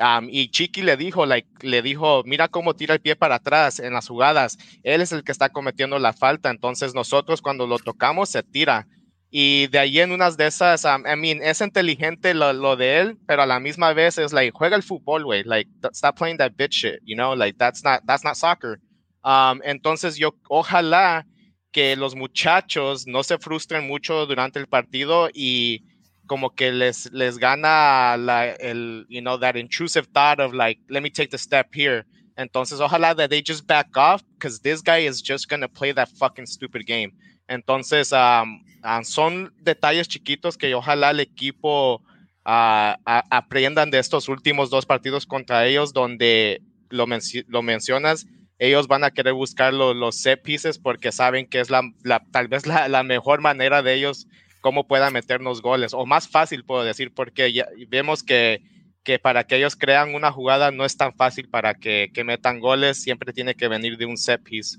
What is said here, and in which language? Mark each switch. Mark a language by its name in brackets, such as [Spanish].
[Spanish] Y Chiqui le dijo, mira cómo tira el pie para atrás en las jugadas. Él es el que está cometiendo la falta. Entonces nosotros cuando lo tocamos, se tira. Y de ahí en unas de esas, es inteligente lo de él, pero a la misma vez es like, juega el fútbol, güey. [English] Like, stop playing that bitch shit, you know? Like, that's not soccer. [Spanish] Entonces yo, ojalá que los muchachos no se frustren mucho durante el partido y como que les gana [English] that intrusive thought of like, let me take the step here. [Spanish] Entonces, ojalá [English] that they just back off, because this guy is just going to play that fucking stupid game. [Spanish] Entonces, son detalles chiquitos que ojalá el equipo aprendan de estos últimos 2 partidos contra ellos, donde lo mencionas. Ellos van a querer buscar los set pieces porque saben que es la mejor manera de ellos cómo puedan meternos goles, o más fácil, puedo decir, porque ya vemos que para que ellos crean una jugada no es tan fácil para que metan goles, siempre tiene que venir de un set piece.